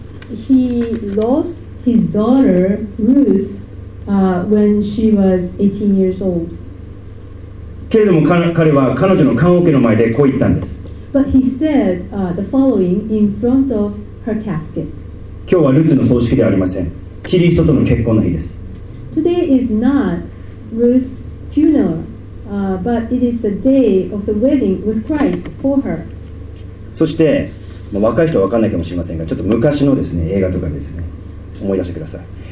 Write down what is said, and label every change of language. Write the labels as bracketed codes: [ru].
[en] He lost his daughter Ruth, when she was 18 years old. [ja] けれども彼は彼女の棺桶の前でこう言ったんです。 [en] But he said, the following in front of her casket. [ja] 今日はルツの葬式ではありません。キリストとの結婚の日です。 [en] Today is not Ruth's funeral. But it is the day of the wedding with Christ for her. [ja] そして、まあ、若い人は分かんないかもしれませんが、ちょっと昔のですね、映画とかですね、思い出してください。